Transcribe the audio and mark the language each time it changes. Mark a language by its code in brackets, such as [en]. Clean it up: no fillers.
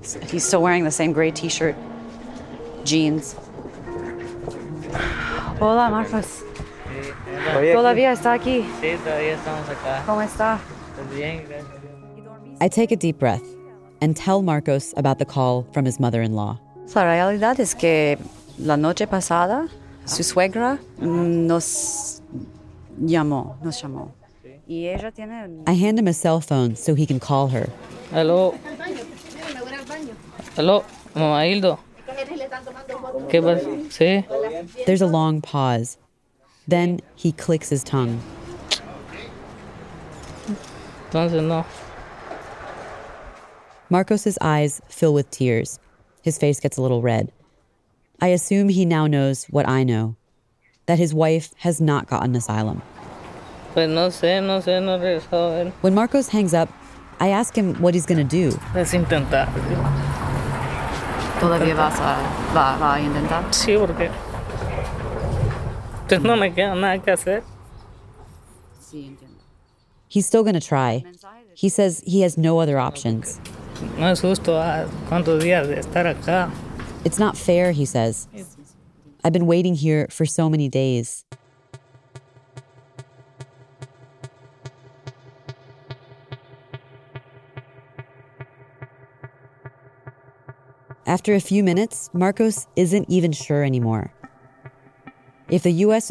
[en] He's still wearing the same gray t-shirt, jeans. [es] Hola, Marcos. Todavía está aquí. Sí, todavía estamos acá. ¿Cómo está? [en] I take a deep breath and tell Marcos about the call from his mother-in-law. [es] La realidad es que la noche pasada, su suegra nos llamó. [en] I hand him a cell phone so he can call her. Hello. Hello, [es] Mama Hildo. ¿Qué pasa? Sí. [en] There's a long pause. Then he clicks his tongue. [es] Entonces no. [en] Marcos's eyes fill with tears. His face gets a little red. I assume he now knows what I know, that his wife has not gotten asylum. [es] Pues no sé, no sé, no regresó a él. [en] When Marcos hangs up, I ask him what he's going to do. [es] Es intentar. ¿Todavía va a intentar? Sí, porque... Pues no me queda nada que hacer. Sí, entiendo. [en] He's still going to try. He says he has no other options. [es] No es justo a cuántos días de estar acá. [en] It's not fair, he says. I've been waiting here for so many days. After a few minutes, Marcos isn't even sure anymore. If the U.S.